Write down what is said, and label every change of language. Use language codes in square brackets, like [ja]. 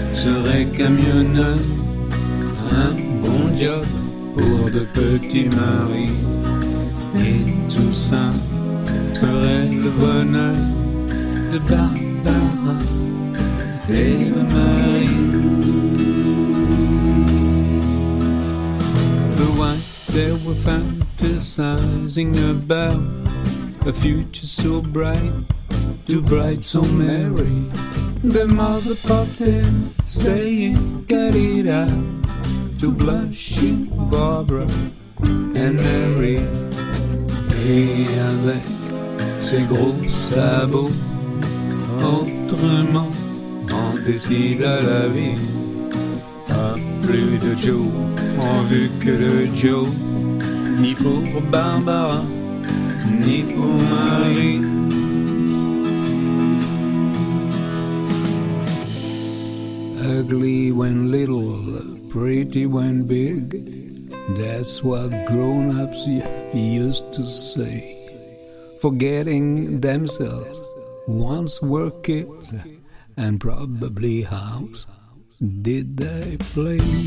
[fr] Un bon job pour de petits maris, et tout ça ferait le bonheur de Barbara et de Marie. [en] The one they were fantasizing about, a future so bright, too bright, so merry. The mother popped in, saying, "Get it out," to blushing Barbara and Mary. [fr] Et avec ses gros sabots, autrement on décide à la vie. Pas plus de Joe en vue que le Joe, ni pour Barbara, ni pour Marie. [en] Ugly when little, pretty when big, that's what grown-ups used to say. Forgetting themselves, once were kids, and probably house did they play.